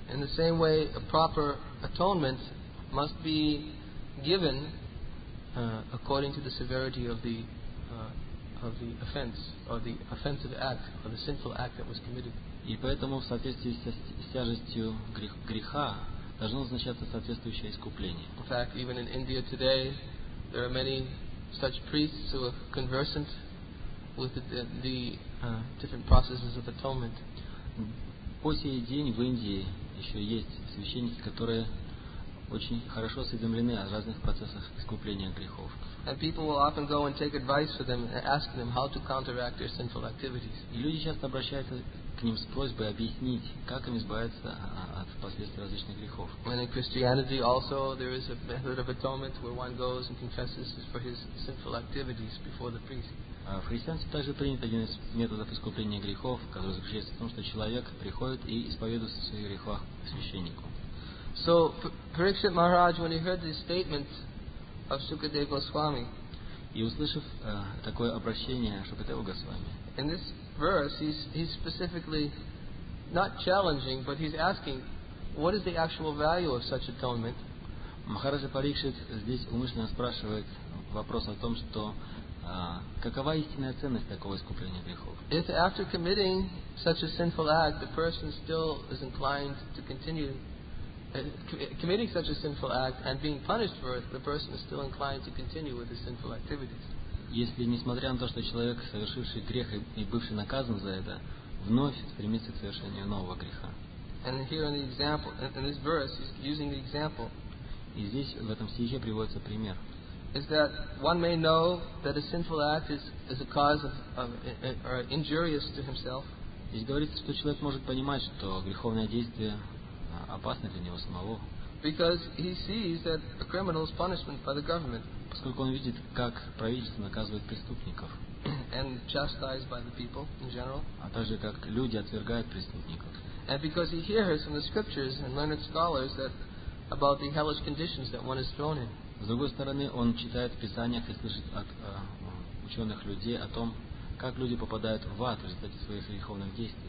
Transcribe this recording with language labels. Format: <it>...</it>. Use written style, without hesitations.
<en>In the same way, a proper atonement must be given according to the severity of the of the offense or the offensive act or the sinful act that was committed.</en> <ru>И поэтому в соответствии с тяжестью греха должно назначаться соответствующее искупление.</ru> <en>In fact, even in India today, there are many such priests who are conversant with the different processes of atonement.</en> <ru>По сей день в Индии еще есть священники, которые очень хорошо осведомлены о разных процессах искупления грехов.</ru> <en>And people will often go and take advice for them and ask them how to counteract their sinful activities.</en> <ru>И люди часто обращаются к ним с просьбой объяснить, как им избавиться от последствий различных грехов.</ru> <en>And in Christianity also there is a method of atonement where one goes and confesses for his sinful activities before the priest.</en> <ru>В христианстве также принят один из методов искупления грехов, который заключается в том, что человек приходит и исповедуется в своих грехах к священнику.</ru> <en>So Parikshit Maharaj, when he heard this statement of Sukadeva Goswami.</en> <ru>И услышав такое обращение Шукадева Госвами.</ru> <en>In this verse, he's specifically not challenging, but he's asking, what is the actual value of such atonement?</en> <ru>Махараджа Парикшит здесь умышленно спрашивает вопрос о том, что какова истинная ценность такого искупления грехов?</ru> <en>If after committing such a sinful act, the person still is inclined to continue committing such a sinful act and being punished for it, the person is still inclined to continue with his sinful activities.</en> <ru>Если несмотря на то, что человек, совершивший грех и бывший наказан за это, вновь стремится к совершению нового греха.</ru> <en>And here in the example, in this verse, he's using the example.</en> <ru>И здесь в этом стихе приводится пример.</ru> <en>Is that one may know that a sinful act is a cause of or injurious to himself?</en> <ru>Здесь говорится, что человек может понимать, что греховное действие опасно для него самого.</ru> <en>Because he sees that a criminal's punishment by the government.</en> <ru>Поскольку он видит, как правительство наказывает преступников.</ru> <en>And chastised by the people in general.</en> <ru>А также как люди отвергают преступников.</ru> <en>And because he hears from the scriptures and learned scholars that about the hellish conditions that one is thrown in.</en> <ru>С другой стороны, он читает в писаниях и слышит от ученых людей о том, как люди попадают в ад в результате своих греховных действий.</ru>